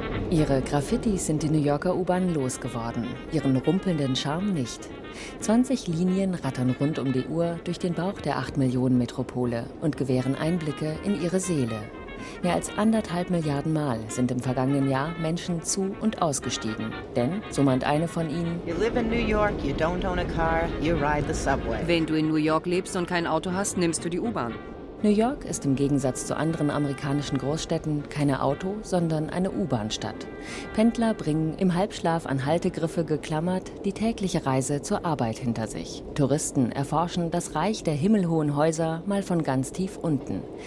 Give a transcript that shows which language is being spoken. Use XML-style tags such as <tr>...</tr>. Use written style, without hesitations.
<de>Ihre Graffiti sind die New Yorker U-Bahn losgeworden, ihren rumpelnden Charme nicht. 20 Linien rattern rund um die Uhr durch den Bauch der 8-Millionen-Metropole und gewähren Einblicke in ihre Seele. Mehr als 1,5 Milliarden Mal sind im vergangenen Jahr Menschen zu- und ausgestiegen. Denn, so meint eine von ihnen,</de> <en>you live in New York, you don't own a car, you ride the subway.</en> <de>Wenn du in New York lebst und kein Auto hast, nimmst du die U-Bahn. New York ist im Gegensatz zu anderen amerikanischen Großstädten keine Auto-, sondern eine U-Bahn-Stadt. Pendler bringen im Halbschlaf an Haltegriffe geklammert die tägliche Reise zur Arbeit hinter sich. Touristen erforschen das Reich der himmelhohen Häuser mal von ganz tief unten.</de>